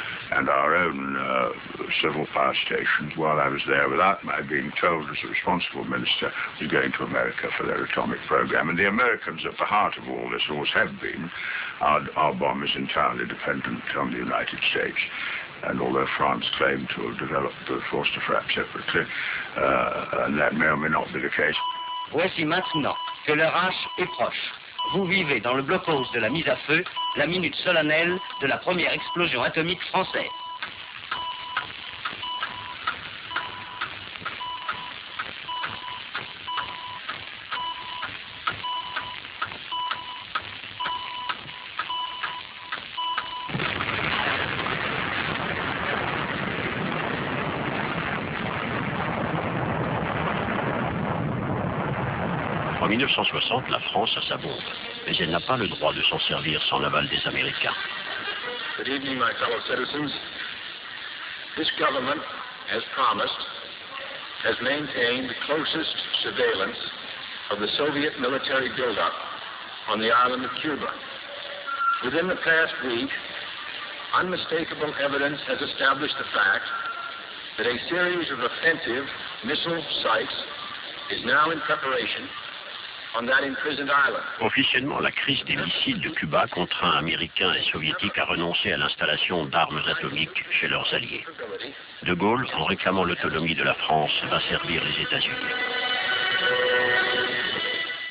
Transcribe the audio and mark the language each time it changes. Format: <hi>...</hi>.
<en>And our own civil power stations, while I was there, without my being told as a responsible minister, was going to America for their atomic program. And the Americans at the heart of all this always have been. Our bomb is entirely dependent on the United States. And although France claimed to have developed the Forster Frappe separately, and that may or may not be the case.</en> <fr>Voici maintenant que leur âge est proche. Vous vivez dans le blocus de la mise à feu, la minute solennelle de la première explosion atomique française. En 1960, la France a sa bombe, mais elle n'a pas le droit de s'en servir sans l'aval des Américains.</fr> <en>Good evening, my fellow citizens. This government, as promised, has maintained the closest surveillance of the Soviet military buildup on the island of Cuba. Within the past week, unmistakable evidence has established the fact that a series of offensive missile sites is now in preparation.</en> <fr>Officiellement, la crise des missiles de Cuba contraint Américains et Soviétiques à renoncer à l'installation d'armes atomiques chez leurs alliés. De Gaulle, en réclamant l'autonomie de la France, va servir les États-Unis.</fr>